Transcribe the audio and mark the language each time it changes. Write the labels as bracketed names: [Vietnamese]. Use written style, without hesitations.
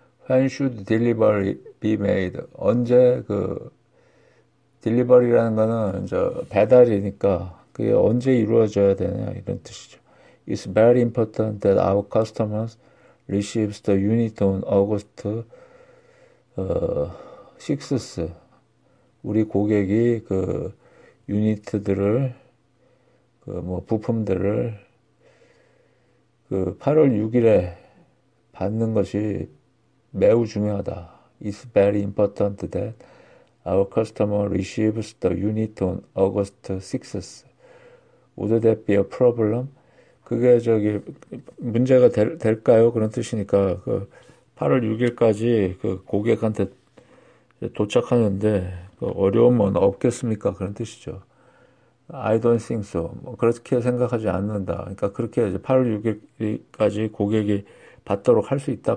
[English] When should delivery be made? [Korean] 언제 그 delivery라는 거는 저 배달이니까 그게 언제 이루어져야 되냐 이런 뜻이죠. [English] It's very important that our customers receive the unit on August 6th. [Korean] 우리 고객이 그 유닛들을 그 뭐 부품들을 그 8월 6일에 받는 것이 매우 중요하다. [English] It's very important that our customer receives the unit on August 6th. Would that be a problem? [Korean] 그게 저기 문제가 될까요? 그런 뜻이니까 그 8월 6일까지 그 고객한테 도착하는데 그 어려움은 없겠습니까? 그런 뜻이죠. [English] I don't think so. [Korean] 뭐 그렇게 생각하지 않는다. 그러니까 그렇게 이제 8월 6일까지 고객이 받도록 할 수 있다.